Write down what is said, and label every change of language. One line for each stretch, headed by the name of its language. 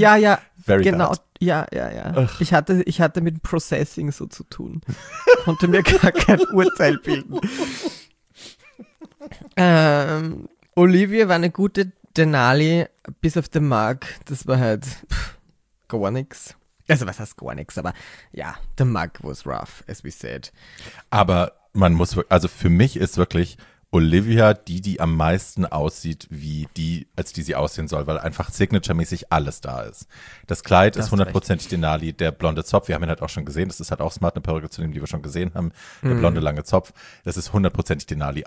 German: Ja. Very genau. Hard. Ja. Ich hatte mit dem Processing so zu tun. Konnte mir gar kein Urteil bilden. Olivia war eine gute Denali, bis auf den Mark, das war halt gar nichts. Also was heißt gar nichts, aber ja,
English: the Mark was rough, as we said.
German: Aber man muss, also für mich ist wirklich Olivia die am meisten aussieht, wie die, als die sie aussehen soll, weil einfach signature-mäßig alles da ist. Das Kleid ist 100%ig Denali, der blonde Zopf, wir haben ihn halt auch schon gesehen, das ist halt auch smart, eine Perücke zu nehmen, die wir schon gesehen haben, der blonde lange Zopf, das ist 100%ig Denali.